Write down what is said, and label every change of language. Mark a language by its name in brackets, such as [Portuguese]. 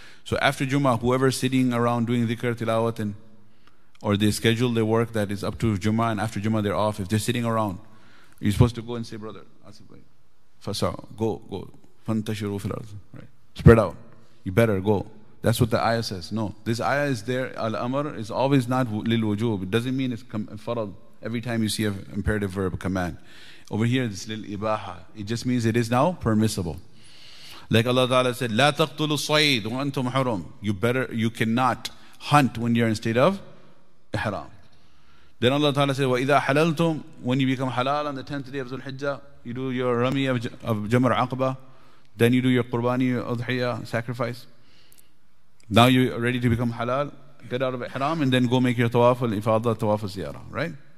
[English] So after Jummah, whoever's sitting around doing dhikr, tilawat, or they schedule their work that is up to Jummah, and after Jummah they're off, if they're sitting around, you're supposed to go and say, brother, فَسَعُوا, go, [Arabic] فَنْ تَشِرُوا فِي الْأَرْضِ. [English] Right. Spread out. You better go. That's what the ayah says. No, this ayah is there. Al-amr is always not lil-wujub. It doesn't mean it's farad every time you see an imperative verb, command. Over here, this little ibaha, it just means it is now permissible. Like Allah Ta'ala said, [Arabic] لا تقتلوا الصيد وأنتم حرم. [English] You cannot hunt when you're in state of ihram. Then Allah Ta'ala said, [Arabic] وَإِذَا حَلَلْتُمْ. [English] When you become halal on the 10th day of Dhul Hijjah, you do your rami of Jamar Aqba, then you do your qurbani, your udhiya, sacrifice. Now you're ready to become halal, get out of ihram, and then go make your tawaf al-ifadah, tawaf al-ziyara, right?